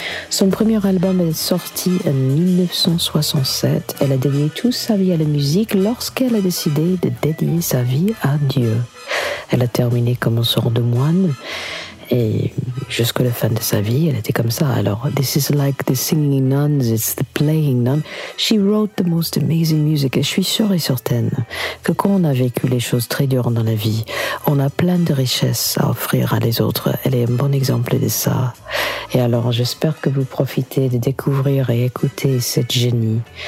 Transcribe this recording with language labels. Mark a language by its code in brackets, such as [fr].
[fr] Son premier album est sorti en 1967. Elle a dédié toute sa vie à la musique lorsqu'elle a décidé de dédier sa vie à Dieu. Elle a terminé comme un sort de moine. Et jusqu'à la fin de sa vie, elle était comme ça. [en] Alors, this is like the singing nuns, it's the playing nuns. She wrote the most amazing music. [fr] Et je suis sûre et certaine que quand on a vécu les choses très dures dans la vie, on a plein de richesses à offrir à les autres. Elle est un bon exemple de ça. Et alors, j'espère que vous profitez de découvrir et écouter cette génie.